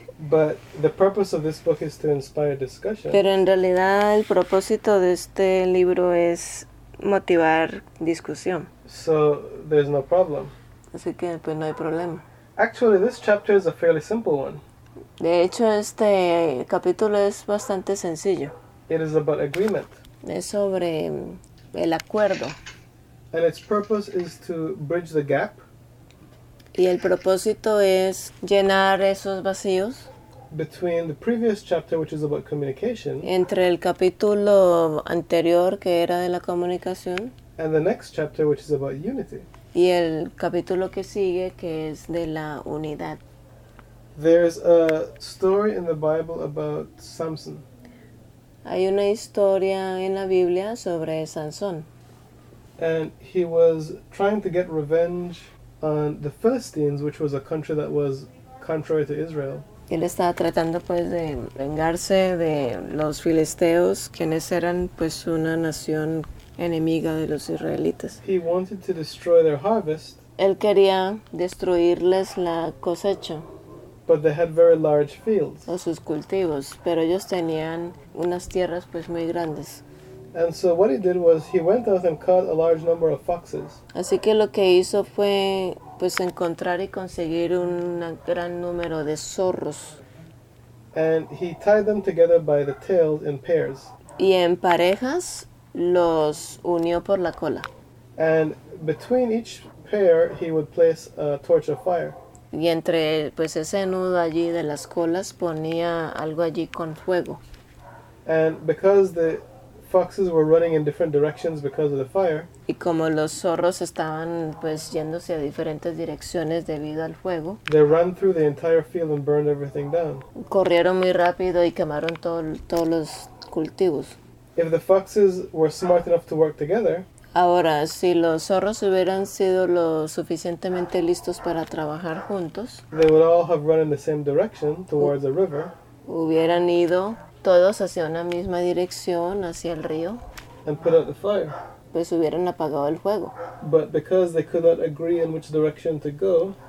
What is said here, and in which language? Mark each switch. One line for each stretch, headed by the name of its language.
English: But the purpose of this book is to inspire discussion.
Spanish: Pero en realidad el propósito de este libro es motivar discusión.
English: So, there's no problem.
Spanish: Así que, pues, no hay problema.
English: Actually, this chapter is a fairly simple one.
Spanish: De hecho, este capítulo es bastante sencillo.
English: It is about agreement.
Spanish: Es sobre el acuerdo.
English: And its purpose is to bridge the gap.
Spanish: Y el propósito es llenar esos vacíos.
English: Between the previous chapter, which is about communication.
Spanish: Entre el capítulo anterior, que era de la comunicación.
English: And the next chapter, which is about unity.
Spanish: Y el capítulo que sigue, que es de la unidad.
English: There's a story in the Bible about Samson.
Spanish: Hay una historia en la Biblia sobre Sansón.
English: And he was trying to get revenge on the Philistines, which was a country that was contrary to Israel.
Spanish: Él estaba tratando, pues, de vengarse de los filisteos, quienes eran, pues, una nación enemiga de los israelitas.
English: He wanted to destroy their harvest.
Spanish: Él quería destruirles la cosecha.
English: But they had very large fields.
Spanish: O sus cultivos, pero ellos tenían unas tierras, pues, muy grandes.
English: And so what he did was he went out and caught a large number of foxes.
Spanish: Así que lo que hizo fue, pues, encontrar y conseguir un gran número de zorros.
English: And he tied them together by the tails in pairs.
Spanish: Y en parejas los unió por la cola.
English: And between each pair he would place a torch of fire.
Spanish: Y entre, pues, ese nudo allí de las colas ponía algo allí con fuego.
English: And because the foxes were running in different directions because of the fire.
Spanish: Y como los zorros estaban, pues, yéndose a diferentes direcciones debido al fuego.
English: They ran through the entire field and burned everything down.
Spanish: Corrieron muy rápido y quemaron todos los cultivos.
English: If the foxes were smart enough to work together.
Spanish: Ahora, si los zorros hubieran sido lo suficientemente listos para trabajar juntos,
English: they would all have run in the same direction towards the river.
Spanish: Hubieran ido todos hacia una misma dirección, hacia el río,
English: and put out the fire.
Spanish: Pues hubieran apagado el fuego.
English: But because they could not agree in which direction to go,